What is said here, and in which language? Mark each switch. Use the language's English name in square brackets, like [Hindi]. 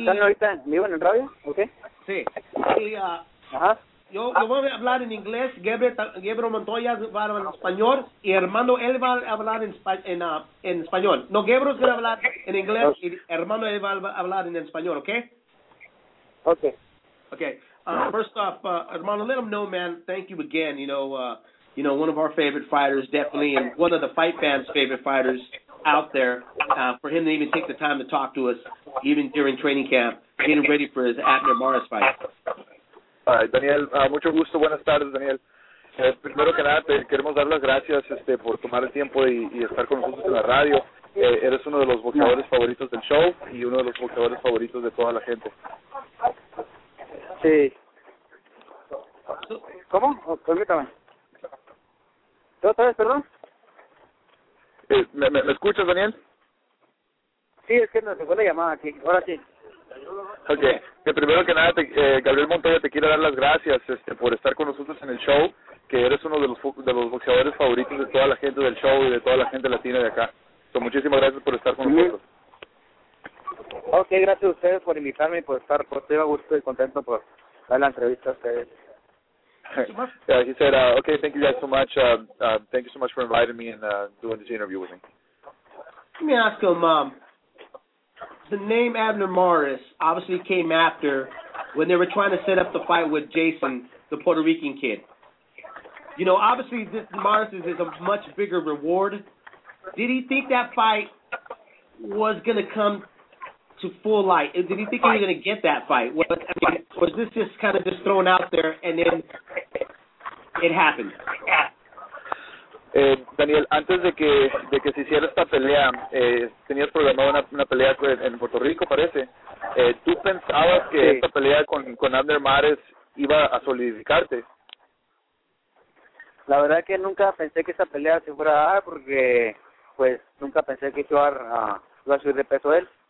[Spanish] ¿Están ahorita vivo en el radio? ¿Ok? Sí. Ajá. Yo voy a hablar en inglés, Gabriel Montoya va a hablar en español y Armando él va a hablar en español. No, Gabriel va a hablar en inglés y Armando él va a hablar en español, ¿ok? Ok. Ok. [English] First off, Armando, let him know, man, thank you again. You know, one of our favorite fighters, definitely, and one of the fight fans' favorite fighters out there, for him to even take the time to talk to us, even during training camp, getting ready for his Abner Morris fight. All right, [Spanish] Daniel, mucho gusto, buenas tardes, Daniel. Primero que nada, te queremos dar las gracias por tomar el tiempo y estar con nosotros en la radio. Eres uno de los boxeadores favoritos del show y uno de los boxeadores favoritos de toda la gente. Sí. ¿Cómo? Permítame. ¿Otra vez, perdón? ¿Me escuchas, Daniel? Sí, es que nos fue la llamada aquí, ahora sí. Okay, que primero que nada, Gabriel Montoya, te quiero dar las gracias por estar con nosotros en el show, que eres uno de los boxeadores favoritos de toda la gente del show y de toda la gente latina de acá. So, muchísimas gracias por estar con nosotros. Okay, gracias a ustedes por invitarme y por estar, por estoy a gusto y contento por dar la entrevista a ustedes. [English] Yeah, he said, okay, thank you guys so much. Thank you so much for inviting me and doing this interview with me. Let me ask him, the name Abner Morris obviously came after when they were trying to set up the fight with Jason, the Puerto Rican kid. You know, obviously, this Morris is a much bigger reward. Did he think that fight was going to come to full light? Did he think he was going to get that fight? Was this just kind of just thrown out there and then it happened? [Spanish] Daniel, antes de que se hiciera esta pelea, tenías programada una pelea en Puerto Rico, parece. ¿Tú pensabas que sí, esta pelea con Abner Mares iba a solidificarte? La verdad que nunca pensé que esta pelea se fuera a dar porque, pues, nunca pensé que iba a subir de peso él.